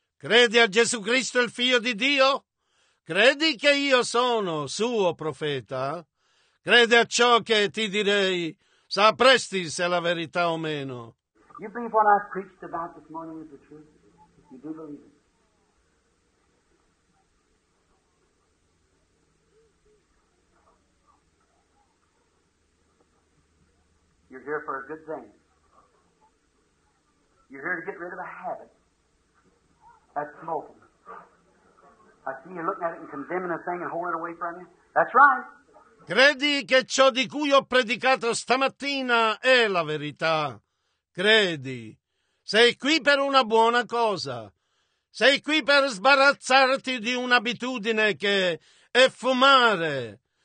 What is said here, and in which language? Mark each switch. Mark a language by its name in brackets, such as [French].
[Italian] Credi a Gesù Cristo, il Figlio di Dio? Credi che io sono suo profeta? Credi a ciò che ti direi? Sapresti se è la verità o meno? [English] You believe what I preached about this morning is the truth? You do believe it? You're here for a good thing. You're here to get rid of a habit. That's smoking. I see you looking at it and condemning a thing and holding it away from you. That's right. [Italian] Credi che ciò di cui ho predicato stamattina è la verità. Credi. Sei qui per una buona cosa. Sei qui per sbarazzarti di un'abitudine che è fumare.